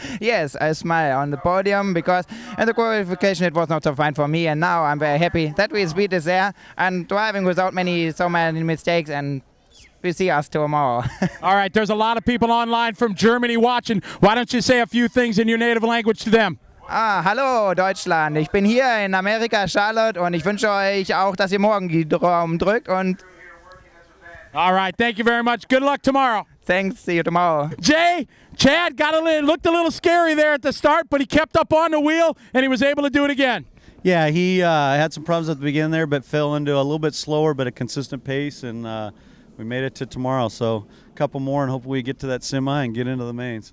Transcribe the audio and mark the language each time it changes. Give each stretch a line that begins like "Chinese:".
English: Yes, I smile on the podium because in the qualification it was not so fine for me, and now I'm very happy that we speed is there and driving without so many mistakes, and we see us tomorrow. All right, there's a lot of people online from Germany watching. Why don't you say a few things in your native language to them?
German: Ah, hallo Deutschland, ich bin hier in Amerika, Charlotte, und ich wünsche euch auch, dass ihr morgen die Daumen drückt und...
English: All right, thank you very much. Good luck tomorrow. Thanks, see you tomorrow. Jay, Chad looked a little scary there at the start, but he kept up on the wheel and he was able to do it again. Yeah, he had some problems at the beginning there, but fell into a little bit slower, but a consistent pace, and we made it to tomorrow. So a couple more and hopefully we get to that semi and get into the main.